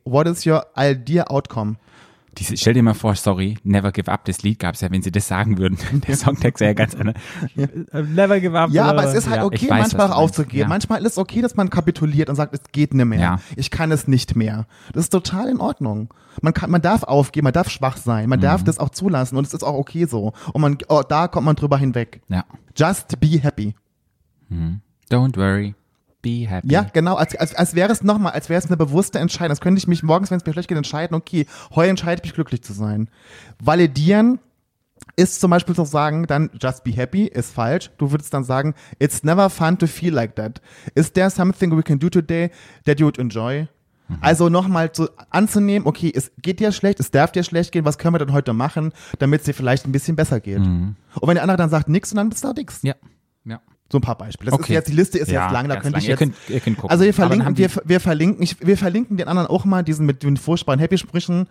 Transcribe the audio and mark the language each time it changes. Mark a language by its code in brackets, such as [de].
[en] What is your ideal outcome? [de] Diese, stell dir mal vor, sorry, Never Give Up, das Lied gab es ja, wenn sie das sagen würden. Der Songtext wäre ja ganz anders. [en] Never Give Up. [de] Ja, aber es ist halt okay, weiß, manchmal auch aufzugeben. Ja. Manchmal ist es okay, dass man kapituliert und sagt, es geht nicht mehr. Ja. Ich kann es nicht mehr. Das ist total in Ordnung. Man darf aufgeben, man darf schwach sein, man darf das auch zulassen und es ist auch okay so. Und man, oh, da kommt man drüber hinweg. Ja. [en] Just be happy. Mhm. Don't worry. Be happy. [de] Ja, genau, als wäre es nochmal, als wäre es eine bewusste Entscheidung. Als könnte ich mich morgens, wenn es mir schlecht geht, entscheiden, okay, heute entscheide ich mich, glücklich zu sein. Validieren ist zum Beispiel zu sagen, dann [en] just be happy, [de] ist falsch. Du würdest dann sagen, [en] it's never fun to feel like that. Is there something we can do today that you would enjoy? Mhm. [de] Also nochmal so anzunehmen, okay, es geht dir schlecht, es darf dir schlecht gehen, was können wir denn heute machen, damit es dir vielleicht ein bisschen besser geht. Mhm. Und wenn der andere dann sagt nix, und dann bist du auch nix. Ja, ja. So ein paar Beispiele. Okay. Jetzt, die Liste ist ja, jetzt lang, da könnte lang. Ich jetzt. Ihr könnt gucken. Also wir verlinken den anderen auch mal diesen mit den furchtbaren Happy-Sprüchen.